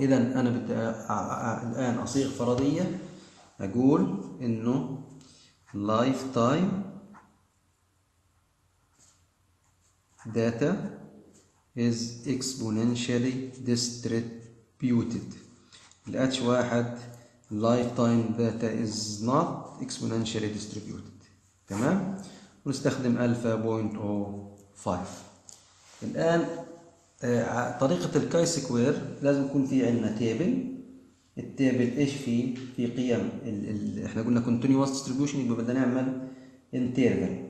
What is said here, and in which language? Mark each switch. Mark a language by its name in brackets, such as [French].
[Arabic] اذا انا بدي الان اصيغ فرضيه اقول انه [English] Lifetime data is exponentially distributed. ال H1 lifetime data is not exponentially distributed. [Arabic] تمام؟ ونستخدم alpha 0.05. الآن طريقة الكاي سكوير لازم يكون في عندنا تيبل. التيبل ايش فيه؟ في قيم ال احنا قلنا continuous distribution، يبقى بدنا نعمل interval.